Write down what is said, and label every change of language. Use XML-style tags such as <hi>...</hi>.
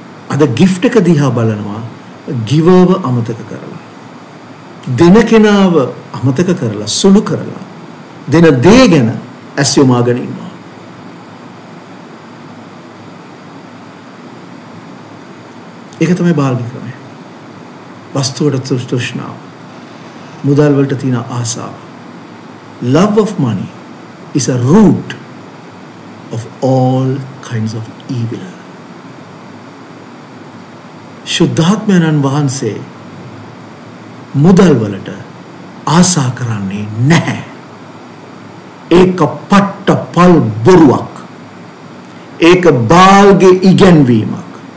<si>අද gift එක දිහා බලනවා giverව අමතක කරලා, දෙන කෙනාව අමතක කරලා, සුළු කරලා දෙන දේ ගැන ඇස් යොමාගෙන ඉන්නවා. ඒක තමයි බාල්ග ක්‍රමය. වස්තුවට තෘෂ්ණාව, මුදල් වලට තියෙන ආසාව.</si> <en>Love of money is a root of all kinds of evil.</en> <si>ශුද්ධාත්මයන් වහන්සේ මුදල් වලට ආසා කරන්නේ නැහැ. ඒක පට්ටපල් බොරුවක්. ඒක බාල්ගේ ඉගැන්වීමක්.</si>